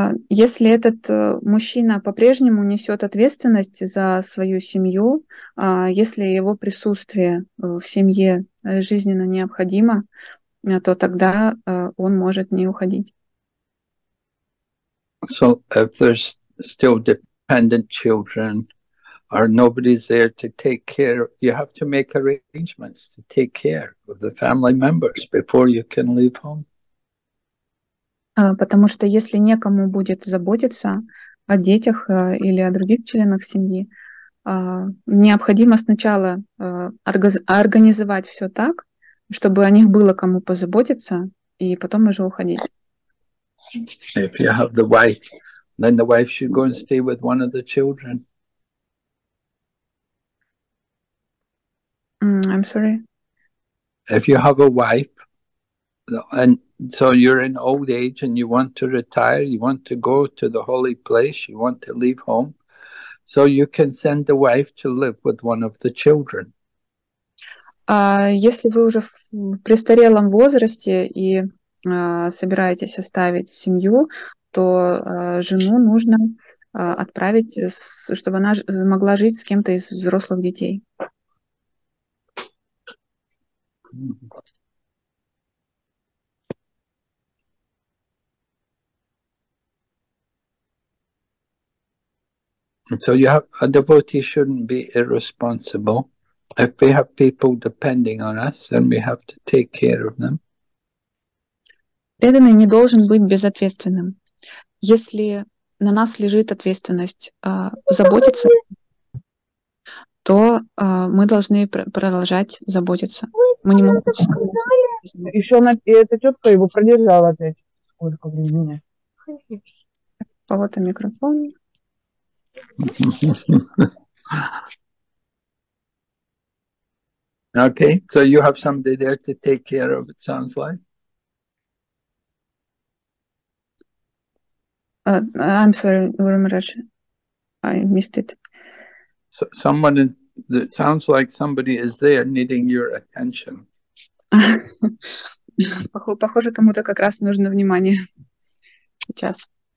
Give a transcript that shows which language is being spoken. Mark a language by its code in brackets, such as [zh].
[ru] Если этот мужчина по-прежнему несет ответственность за свою семью, если его присутствие в семье жизненно необходимо, то тогда он может не уходить. [en] So if there's still dependent children or nobody's there to take care, you have to make arrangements to take care of the family members before you can leave home. [ru] Потому что если некому будет заботиться о детях или о других членах семьи, необходимо сначала организовать все так, чтобы о них было кому позаботиться, и потом уже уходить. [en] If you have the wife, then the wife should go and stay with one of the children. I'm sorry. If you have a wife, And so you're in old age and you want to retire, you want to go to the holy place, you want to leave home, so you can send the wife to live with one of the children. [ru] А если вы уже в престарелом возрасте и собираетесь оставить семью, то жену нужно отправить, чтобы она могла жить с кем-то из взрослых детей. [en] So you have a devotee shouldn't be irresponsible. If we have people depending on us, then we have to take care of them. [ru] Преданный не должен быть безответственным. Если на нас лежит ответственность заботиться, то мы должны продолжать заботиться. Мы не можем. Еще на эта тетка его продержала опять. Сколько времени? Повод микрофон. [en] Okay, so you have somebody there to take care of, it sounds like. I'm sorry, Guru Maharaj, I missed it. So someone is, it sounds like somebody is there needing your attention. [ru] Похоже, кому-то как раз нужно внимание сейчас.